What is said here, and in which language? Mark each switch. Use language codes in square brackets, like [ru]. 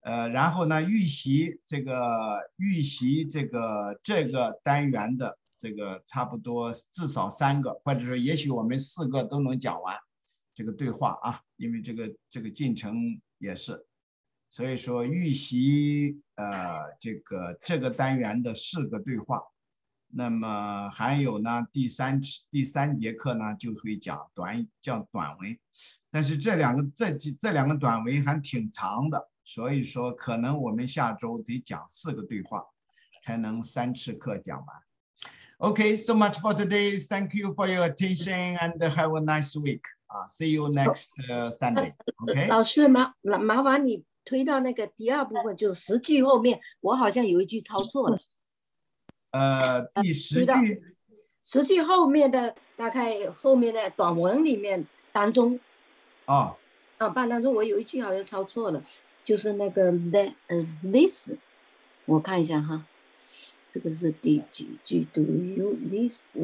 [zh] 然后呢，预习这个单元的这个差不多至少三个，或者说也许我们四个都能讲完这个对话啊，因为这个进程也是，所以说预习这个单元的四个对话，那么还有呢，第三节课呢就会讲短文，但是这两个短文还挺长的。所以说可能我们下周得讲四个对话才能三次课讲完。 [en] OK, so much for today. Thank you for your attention and have a nice week. See you next Sunday. OK, [zh] 老师 麻烦你推到那个第二部分，就是十句后面，我好像有一句抄错了。第十句，十句后面的大概后面的短文里面当中半当中我有一句好像抄错了，就是那个 this， 我看一下哈，这个是第几句 ？ [en] Do you this？